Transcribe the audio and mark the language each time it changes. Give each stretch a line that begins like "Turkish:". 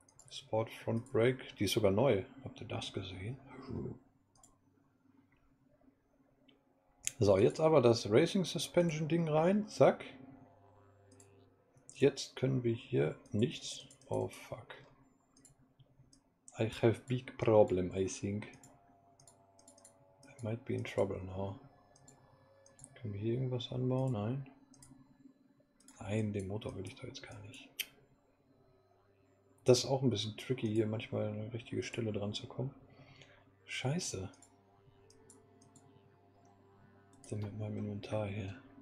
German: Sport Front Brake. Die ist sogar neu. Habt ihr das gesehen? So, jetzt aber das Racing Suspension Ding rein. Zack. Jetzt können wir hier nichts.
English: Oh fuck. I have big problem, I think. I might be in trouble now.
German: Können wir hier irgendwas anbauen? Nein. Nein, den Motor will ich da jetzt gar nicht. Das ist auch ein bisschen tricky, hier manchmal eine richtige Stelle dran zu kommen. Scheiße. Mit meinem Inventar hier.